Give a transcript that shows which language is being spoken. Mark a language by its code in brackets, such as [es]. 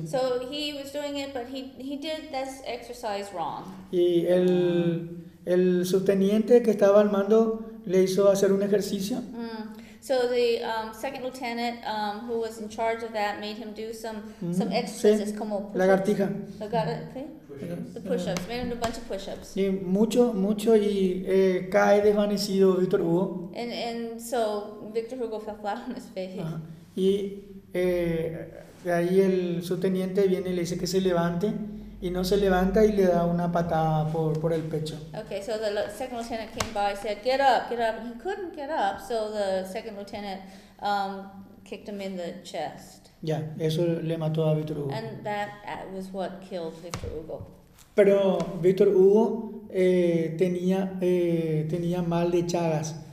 [en] So he was doing it, but he did this exercise wrong. [es] Y el subteniente que estaba al mando le hizo hacer un ejercicio. [en] So the second lieutenant who was in charge of that made him do some exercises, [es] sí. Como lagartija. [en] The push-ups. Made him do a bunch of push-ups. [es] Y mucho y cae desvanecido Victor Hugo. [en] And so Victor Hugo fell flat on his face. Uh-huh. [es] Y de ahí el subteniente viene y le dice que se levante. Y no se levanta y le da una patada por el pecho. [en] Okay, so the second lieutenant came by and said, get up. And he couldn't get up, so the second lieutenant kicked him in the chest. [es] Ya, yeah, eso le mató a Victor Hugo. [en] And that was what killed Victor Hugo. [es] Pero Victor Hugo tenía mal de Chagas.